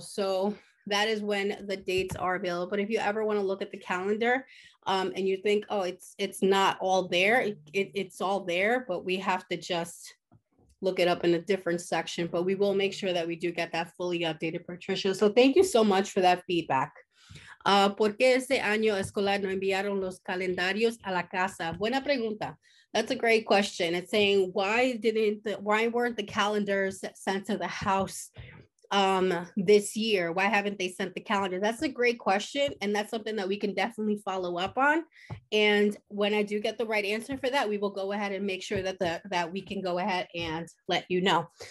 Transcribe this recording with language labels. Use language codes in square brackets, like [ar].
[en] So that is when the dates are available. But if you ever want to look at the calendar and you think, oh, it's not all there, it's all there, but we have to just look it up in a different section. But we will make sure that we do get that fully updated, Patricia. So thank you so much for that feedback. [es] ¿Por qué este año escolar no enviaron los calendarios a la casa? Buena pregunta. [en] That's a great question. It's saying, why weren't the calendars sent to the house this year? Why haven't they sent the calendar? That's a great question. And that's something that we can definitely follow up on. And when I do get the right answer for that, we will go ahead and make sure that we can go ahead and let you know.